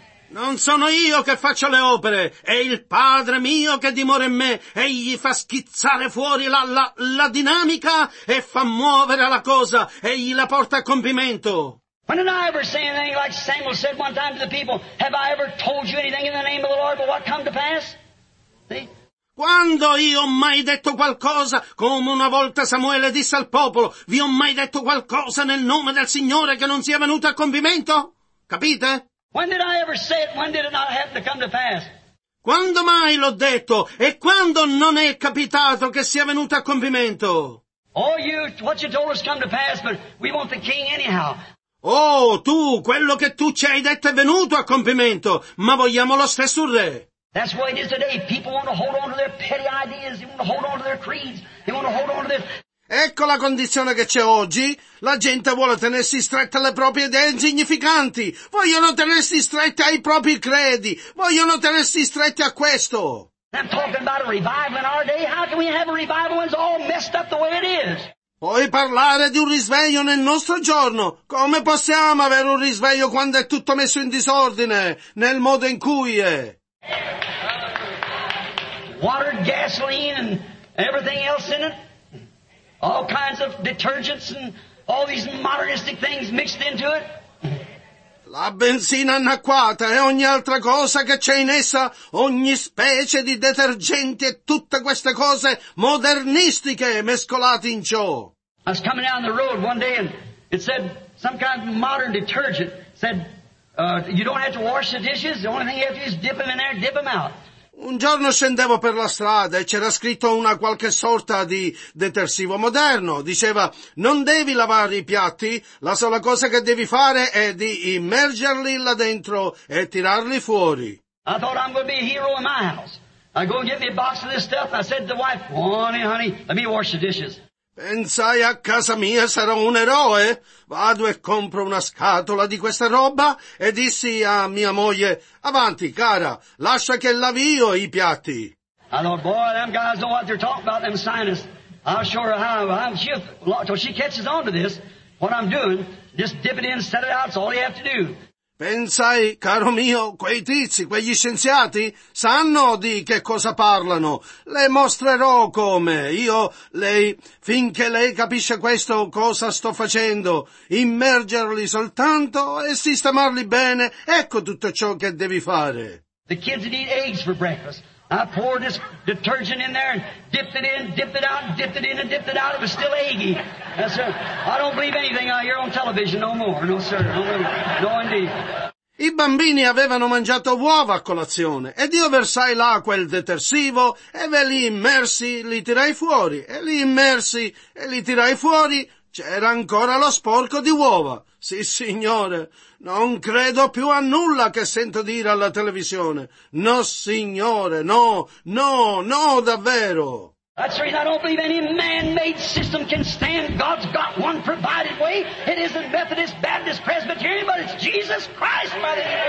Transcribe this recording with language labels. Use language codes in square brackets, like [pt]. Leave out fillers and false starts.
[it] Non sono io che faccio le opere, è il Padre mio che dimora in me. Egli fa schizzare fuori la dinamica e fa muovere la cosa. Egli la porta a compimento. [en] When did I ever say anything like Samuel said one time to the people, have I ever told you anything in the name of the Lord, but what come to pass? See? [it] Quando io ho mai detto qualcosa, come una volta Samuele disse al popolo, vi ho mai detto qualcosa nel nome del Signore che non sia venuto a compimento? Capite? [en] When did I ever say it? When did it not happen to come to pass? [it] Quando mai l'ho detto? E quando non è capitato che sia venuto a compimento? [en] Oh, you, what you told us come to pass, but we want the king anyhow. [it] Oh, tu, quello che tu ci hai detto è venuto a compimento, ma vogliamo lo stesso re. [en] That's the way it is today. People want to hold on to their petty ideas. They want to hold on to their creeds. They want to hold on to their... [it] Ecco la condizione che c'è oggi. La gente vuole tenersi stretta alle proprie idee insignificanti. Vogliono tenersi stretti ai propri credi. Vogliono tenersi stretti a questo. [en] I'm talking about a revival in our day. How can we have a revival when it's all messed up the way it is? [it] Puoi parlare di un risveglio nel nostro giorno. Come possiamo avere un risveglio quando è tutto messo in disordine nel modo in cui è? [en] Water, gasoline and everything else in it. All kinds of detergents and all these modernistic things mixed into it. [it] La benzina annacquata e ogni altra cosa che c'è in essa, ogni specie di detergenti e tutte queste cose modernistiche mescolate in ciò. [en] I was coming down the road one day and it said some kind of modern detergent said, you don't have to wash the dishes, the only thing you have to do is dip them in there, dip them out. [it] Un giorno scendevo per la strada e c'era scritto una qualche sorta di detersivo moderno. Diceva, non devi lavare i piatti, la sola cosa che devi fare è di immergerli là dentro e tirarli fuori. [en] I thought I'm going to be a hero in my house. I go and get me a box of this stuff. I said to the wife, honey, honey, let me wash the dishes. [it] Pensai, a casa mia sarò un eroe. Vado e compro una scatola di questa roba e dissi a mia moglie, avanti, cara, lascia che lavi io i piatti. [en] I thought, boy, them guys know what they're talking about, them scientists. I'll show her how. She catches on to this, what I'm doing, just dip it in, set it out, it's all you have to do. [it] Pensai, caro mio, quei tizi, quegli scienziati, sanno di che cosa parlano. Le mostrerò come. Io, lei, finché lei capisce questo, cosa sto facendo. Immergerli soltanto e sistemarli bene. Ecco tutto ciò che devi fare. [en] The kids need eggs for breakfast. I poured this detergent in there and dipped it in, dipped it out, dipped it in and dipped it out. It was still eggy. Yes, sir. I don't believe anything I hear on television no more. No, sir. No, indeed. [it] I bambini avevano mangiato uova a colazione ed io versai là quel detersivo e ve li immersi, li tirai fuori. E li immersi e li tirai fuori. C'era ancora lo sporco di uova. Sì, signore, non credo più a nulla che sento dire alla televisione. No, signore, no, no, no, davvero. [en] That's right, I don't believe any man-made system can stand. God's got one provided way. It isn't Methodist, Baptist, Presbyterian, but it's Jesus Christ, brother.